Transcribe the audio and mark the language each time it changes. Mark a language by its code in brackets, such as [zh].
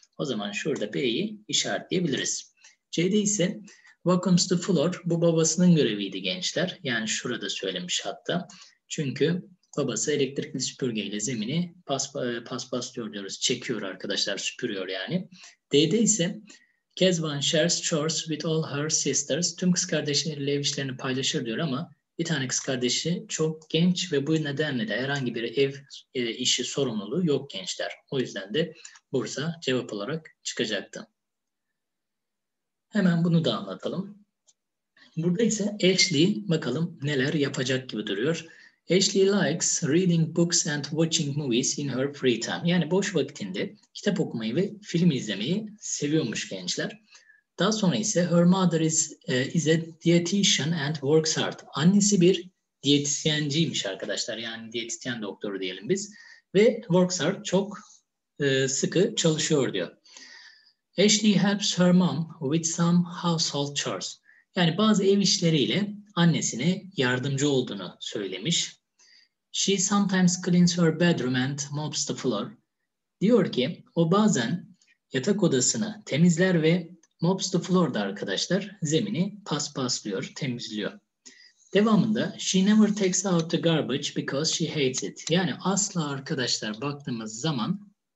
[tr] O zaman şurada B'yi işaretleyebiliriz. C'de ise [en] vacuums the floor. [tr] Bu babasının göreviydi gençler. Yani şurada söylemiş hatta. Çünkü babası elektrikli süpürgeyle zemini paspaslıyor diyoruz. Çekiyor arkadaşlar, süpürüyor yani. D'de ise [en] Kezban shares chores with all her sisters. [tr] Tüm kız kardeşleriyle ev işlerini paylaşır diyor ama bir tane kız kardeşi çok genç ve bu nedenle de herhangi bir ev işi sorumluluğu yok gençler. O yüzden de Bursa cevap olarak çıkacaktı. Hemen bunu da anlatalım. Burada ise Ashley bakalım neler yapacak gibi duruyor. [en] Ashley likes reading books and watching movies in her free time. [tr] Yani boş vaktinde kitap okumayı ve film izlemeyi seviyormuş gençler. Daha sonra ise [en] her mother is a dietitian and works hard. [tr] Annesi bir diyetisyenciymiş arkadaşlar. Yani diyetisyen doktoru diyelim biz. Ve [en] works hard, [tr] çok sıkı çalışıyor diyor. [en] Ashley helps her mom with some household chores. [tr] Yani bazı ev işleriyle annesine yardımcı olduğunu söylemiş. [en] She sometimes cleans her bedroom and mops the floor. [tr] Diyor ki o bazen yatak odasını temizler ve [en] mops the floor [tr] da arkadaşlar zemini paspaslıyor, temizliyor. Devamında [en] she never takes out the garbage because she hates it. [tr] Yani asla arkadaşlar baktığımız zaman